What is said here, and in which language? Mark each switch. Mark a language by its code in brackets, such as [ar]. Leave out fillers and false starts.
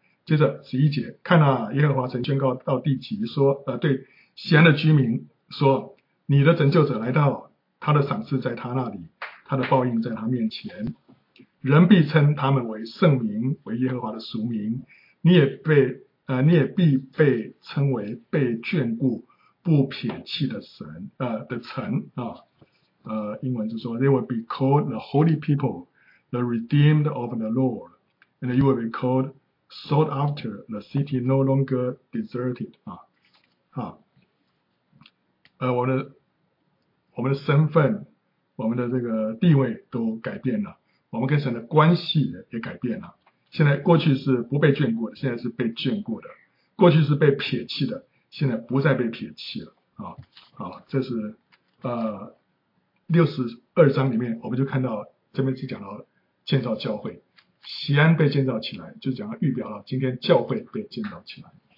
[zh] 接着11节，看啊，耶和华曾宣告到地极，说对西安的居民说，你的拯救者来到，他的赏赐在他那里，他的报应在他面前，人必称他们为圣民，为耶和华的属民，你也必被称为被眷顾不撇弃的神的城啊。英文就说 [en] They will be called the holy people, the redeemed of the Lord, and you will be called sought after, the city no longer deserted [zh] 啊。我们的身份，我们的这个地位都改变了，我们跟神的关系也改变了。现在过去是不被眷顾的，现在是被眷顾的；过去是被撇弃的，现在不再被撇弃了。这是62章里面，我们就看到这边是讲到建造教会，锡安被建造起来，就讲到预表了今天教会被建造起来。